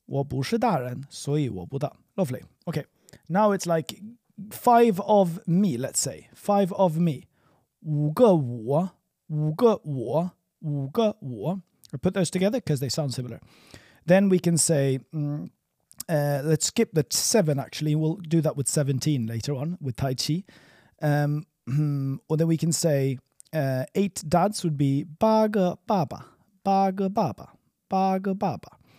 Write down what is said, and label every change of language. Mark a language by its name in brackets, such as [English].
[Chinese] 我不是大人,所以我不大。我不是大人,所以我不大。我不是大人,所以我不大。 [English] Lovely. Okay. Now it's like five of me, let's say. Five of me. [Chinese] 五个我,五个我,五个我. [English] I put those together because they sound similar. Then we can say, let's skip the 7 actually. We'll do that with 17 later on, with Tai Chi. Or then we can say, 8 dads would be [Chinese] 八个爸爸,八个爸爸,八个爸爸.